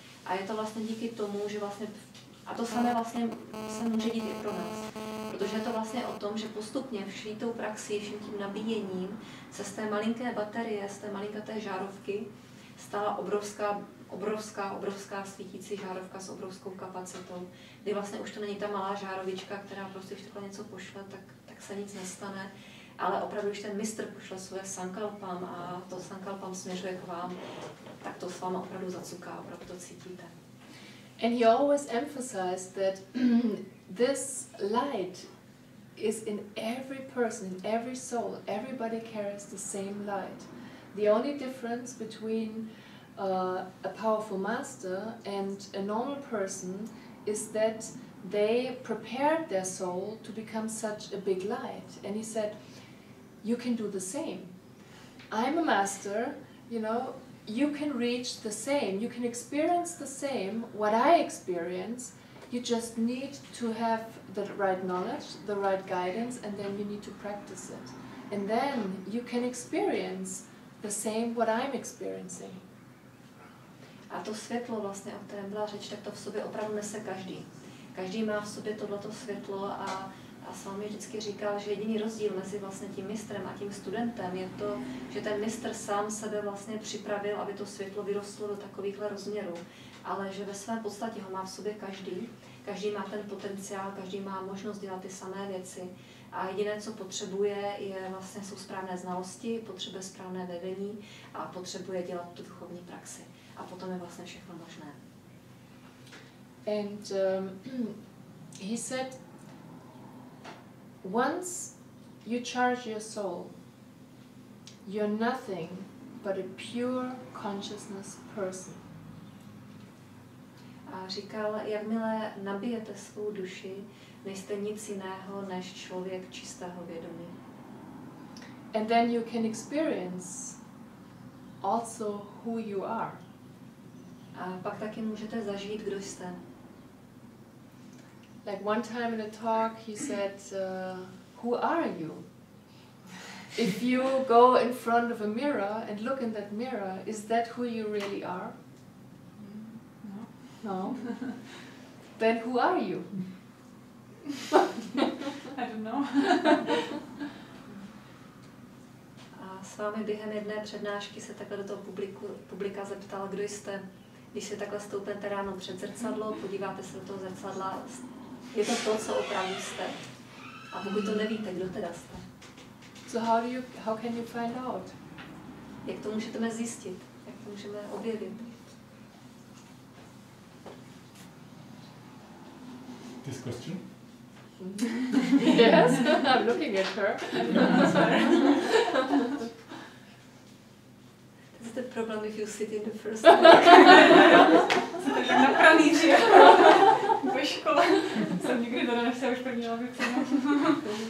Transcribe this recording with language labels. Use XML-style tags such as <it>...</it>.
<cs>A je to vlastně díky tomu, že vlastně, a to samé vlastně se může dít i pro nás, protože je to vlastně o tom, že postupně vší tou praxí, vším tím nabíjením se z té malinké baterie, z té malinkaté žárovky stala obrovská svítící žárovka s obrovskou kapacitou, kdy vlastně už to není ta malá žárovička, která prostě když takhle něco pošle, tak se nic nestane. Ale opravdu, když ten mistr pošle svoje sankalpam a to sankalpam směřuje k vám, tak to s vám opravdu zacuká, opravdu to cítíte.</cs> <en>And he always emphasized that this light is in every person, in every soul. Everybody carries the same light. The only difference between a powerful master and a normal person is that they prepared their soul to become such a big light. And he said, you can do the same. I'm a master, you know, you can reach the same, you can experience the same, what I experience. You just need to have the right knowledge, the right guidance, and then you need to practice it. And then you can experience the same what I'm experiencing.</en> <cs>A to světlo vlastně, o kterém byla řeč, tak to v sobě opravdu nese každý. Každý má v sobě tohleto světlo a sám mi vždycky říkal, že jediný rozdíl mezi vlastně tím mistrem a tím studentem je to, že ten mistr sám sebe vlastně připravil, aby to světlo vyrostlo do takovýchhle rozměrů, ale že ve své podstatě ho má v sobě každý. Každý má ten potenciál, každý má možnost dělat ty samé věci. A jediné, co potřebuje, jsou správné znalosti, potřebuje správné vedení a potřebuje dělat tu duchovní praxi. A potom je vlastně všechno možné.</cs> <en>And he said, once you charge your soul, you're nothing but a pure consciousness person.</en> <cs>A říkal, jakmile nabijete svou duši, nejste nic jiného než člověk čistého vědomí.</cs> <en>And then you can experience also who you are.</en> <cs>A pak taky můžete zažít, kdo jste.</cs> <en>Like one time in a talk, he said, who are you? If you go in front of a mirror and look in that mirror, is that who you really are? No. No? Then who are you? I don't know.</en> <cs>A s vámi během jedné přednášky se takhle do toho publika zeptal, kdo jste. Když se takhle stoupete ráno před zrcadlo, podíváte se do toho zrcadla, je to to, co opravdu jste. A pokud to nevíte, kdo teda jste?</cs> <en>So how can you find out?</en> <cs>Jak to můžeme zjistit? Jak to můžeme objevit?</cs> <en>This question? Yes, I'm looking at her. Is the problem if you sit in the first row?</en> <cs>Na pralíři. Ve škole. Jsem nikdy to nenesla, už pro měla bych se mnohem.</cs>